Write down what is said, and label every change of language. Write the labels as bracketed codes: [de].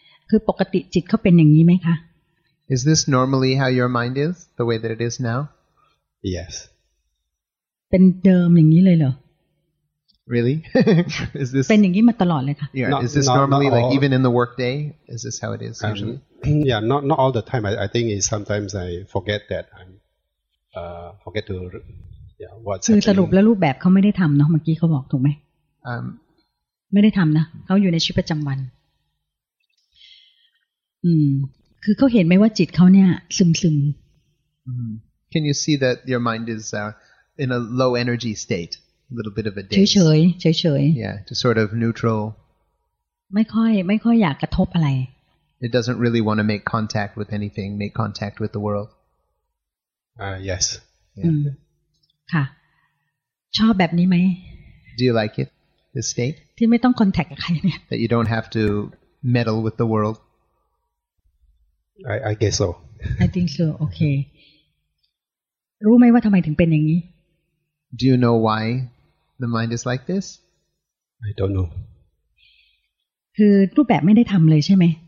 [th] คือปกติจิตเขาเป็นอย่างนี้ไหมคะ [en] Is this normally how your mind is, the way that it is now? Yes. [th] เป็นเดิมอย่างนี้เลยเหรอ [en] Really? Is this? [th] เป็นอย่างนี้มาตลอดเลยค่ะ [en] Yeah. Is this normally like even in the work day? Is this how it is usually? Yeah, not all the time. I think is sometimes I forget that I'm forget to yeah what's happening. [th] คือสรุปแล้วรูปแบบเขาไม่ได้ทำเนาะเมื่อกี้เขาบอกถูกไหมไม่ได้ทำนะเขาอยู่ในชีวิตประจำวันคือเขาเห็นไหมว่าจิตเขาเนี่ยซึม [en] Can you see that your mind is in a low energy state, a little bit of a daze? [th] เฉย [en] Yeah, to sort of neutral. [th] ไม่ค่อยอยากกระทบอะไร [en] It doesn't really want to make contact with anything, make contact with the world. Yes. [th] ค่ะชอบแบบนี้ไหม [en] Do you like it, this state? [th] ที่ไม่ต้อง contact กับใครเนี่ย [en] That you don't have to meddle with the world. I guess so. I think so. Okay. [th] รู้ไหมว่าทำไมถึงเป็นอย่างนี้ [en] Do you know why the mind is like this? I don't know. [th] คือรูปแบบไม่ได้ทำเลยใช่ไหม